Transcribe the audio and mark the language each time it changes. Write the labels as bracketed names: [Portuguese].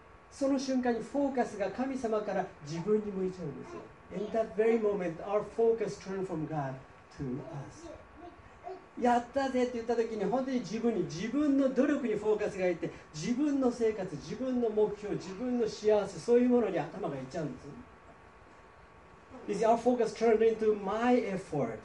[Japanese] その瞬間にフォーカスが神様から自分に向いちゃうんですよ。 [English] In that very moment, our focus turned from God to us. [Japanese] やったぜって言った時に本当に自分に自分の努力にフォーカスがいって自分の生活、自分の目標、自分の幸せそういうものに頭がいっちゃうんです。 [English] You see, our focus turned into my effort.